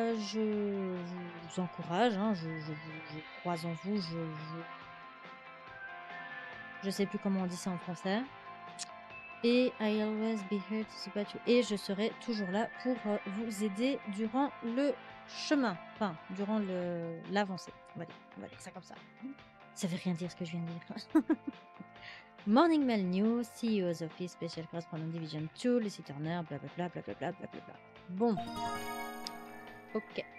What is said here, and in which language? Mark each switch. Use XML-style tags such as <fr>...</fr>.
<fr>Je vous encourage, hein, je croise en vous, je sais plus comment on dit ça en français.</fr> <en>Et I always be here to support you.</en> <fr>Et je serai toujours là pour vous aider durant le chemin. Enfin, durant l'avancée. On va dire ça comme ça. Ça veut rien dire ce que je viens de dire.</fr> <en>Morning Mail News, CEO's Office, Special Correspondent Division 2, Lucy Turner, blablabla, blablabla, blablabla. Bon. Ok.</en>